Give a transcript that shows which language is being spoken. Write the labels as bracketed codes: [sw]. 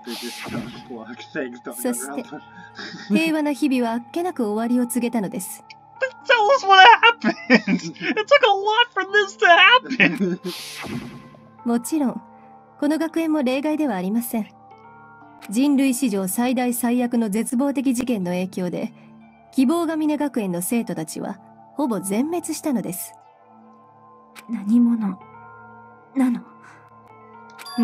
[ja] そして平和な日々はあっけなく終わりを告げたのです。 [en] Tell us what happened! It took a lot for this to happen! [ja] もちろんこの学園も例外ではありません。人類史上最大最悪の絶望的事件の影響で希望ヶ峰学園の生徒たちはほぼ全滅したのです。何者なの？